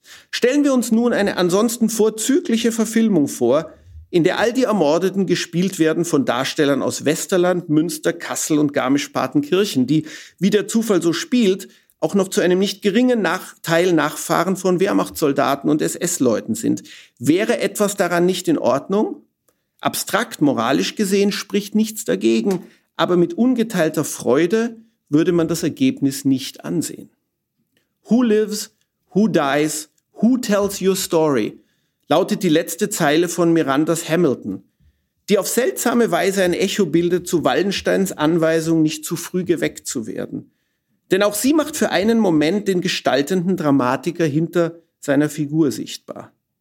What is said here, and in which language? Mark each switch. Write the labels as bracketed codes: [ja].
[de] Stellen wir uns nun eine ansonsten vorzügliche Verfilmung vor, in der all die Ermordeten gespielt werden von Darstellern aus Westerland, Münster, Kassel und Garmisch-Partenkirchen, die, wie der Zufall so spielt, auch noch zu einem nicht geringen Nachteil Nachfahren von Wehrmachtssoldaten und SS-Leuten sind. Wäre etwas daran nicht in Ordnung? Abstrakt, moralisch gesehen, spricht nichts dagegen, aber mit ungeteilter Freude würde man das Ergebnis nicht ansehen. [en] Who lives, who dies, who tells your story? [de] Lautet die letzte Zeile von Mirandas Hamilton, die auf seltsame Weise ein Echo bildet zu Wallensteins Anweisung, nicht zu früh geweckt zu werden. Denn auch sie macht für einen Moment den gestaltenden Dramatiker hinter seiner Figur sichtbar.